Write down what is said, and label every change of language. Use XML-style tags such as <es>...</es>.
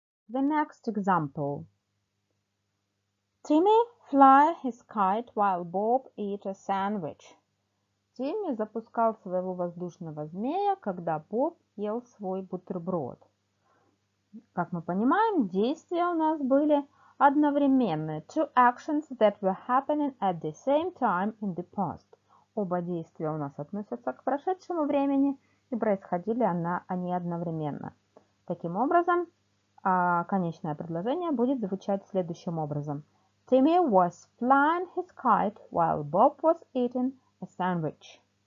<en>The next example. Timmy fly his kite while Bob ate a sandwich.</en> <ru>Тимми запускал своего воздушного змея, когда Боб ел свой бутерброд. Как мы понимаем, действия у нас были одновременные.</ru> <en>Two actions that were happening at the same time in the past.</en> <ru>Оба действия у нас относятся к прошедшему времени и происходили они одновременно. Таким образом, конечное предложение будет звучать следующим образом.</ru> <en>Timmy was flying his kite while Bob was eating a sandwich.</en>